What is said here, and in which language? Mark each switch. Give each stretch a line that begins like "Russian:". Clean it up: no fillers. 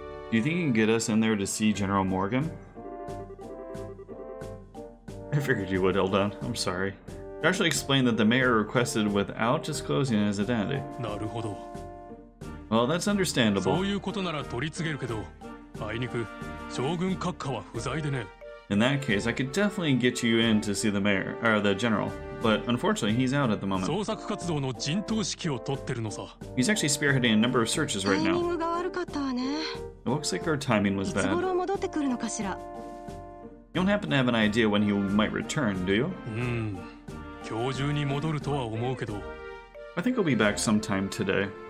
English: Do you think you can get us in there to see General Morgan? I figured you would, Eldon. I'm sorry. He actually explained that the mayor requested without disclosing his identity.
Japanese: なるほど.
English: Well, that's understandable.
Japanese: そういうことなら取り次げるけど, あいにく将軍閣下は不在でね.
English: In that case, I could definitely get you in to see the mayor, or the general. But unfortunately, he's out at the moment.
Japanese: 捜索活動の陣頭指揮を取ってるのさ.
English: He's actually spearheading a number of searches right now.
Japanese: タイミングが悪かったわね.
English: It looks like our timing was bad.
Japanese: いつ頃戻ってくるのかしら?
English: You don't happen to have an idea when he might return, do you? I think he'll be back sometime today.